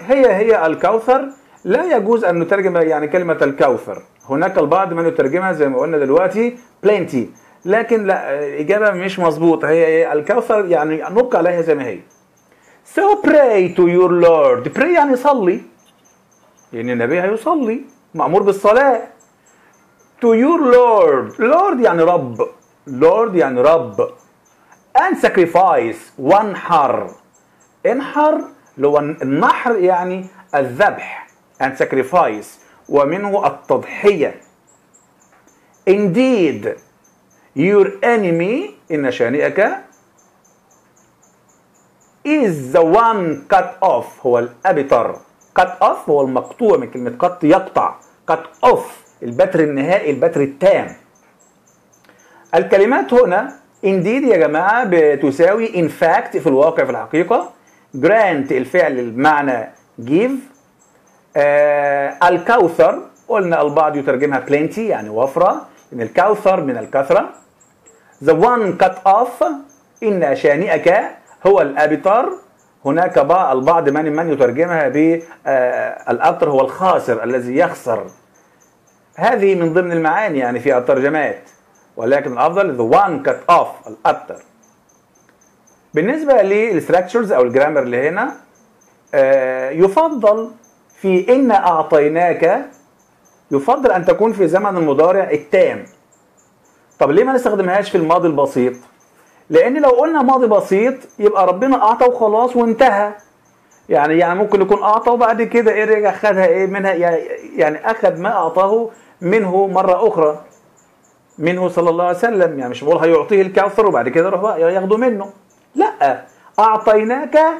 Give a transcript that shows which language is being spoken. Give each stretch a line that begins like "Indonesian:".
Arabic: هي الكوثر، لا يجوز أن نترجم يعني كلمة الكوثر، هناك البعض من يترجمها زي ما قلنا دلوقتي plenty، لكن لا، إجابة مش مظبوطة. هي الكوثر يعني نبقى عليها زي ما هي.
English: So pray to your Lord.
Arabic: Pray يعني صلي، يعني النبي هيصلي، مأمور بالصلاة.
English: To your Lord، Lord
Arabic: يعني رب،
English: Lord يعني رب. And sacrifice،
Arabic: وانحر. انحر لو النحر يعني الذبح.
English: And sacrifice
Arabic: ومنه التضحية.
English: Indeed your enemy،
Arabic: إن شانئك،
English: is the one cut off،
Arabic: هو الأبتر.
English: cut off
Arabic: هو المقطوع، من كلمة قط يقطع، cut off البتر النهائي، البتر التام. الكلمات هنا indeed يا جماعة بتساوي
English: in fact
Arabic: في الواقع في الحقيقة، grant الفعل المعنى give، الكوثر قلنا البعض يترجمها plenty يعني وفرة، إن الكوثر من الكثرة.
English: The one cut off،
Arabic: إن شانئك هو الأبتر. هناك بقى البعض من يترجمها بالأبتر هو الخاسر الذي يخسر. هذه من ضمن المعاني يعني في الترجمات. ولكن الافضل
English: the one cut off
Arabic: الاكثر. بالنسبه للستراكشرز او الجرامر اللي هنا يفضل في ان اعطيناك يفضل ان تكون في زمن المضارع التام. طب ليه ما نستخدمهاش في الماضي البسيط؟ لان لو قلنا ماضي بسيط يبقى ربنا اعطى وخلاص وانتهى، يعني ممكن يكون اعطى وبعد كده ايه رجع خدها ايه منها، يعني اخذ ما اعطاه منه مره اخرى منه صلى الله عليه وسلم، يعني مش بقول هيعطيه الكافر وبعد كده يروح ياخده منه، لا اعطيناك.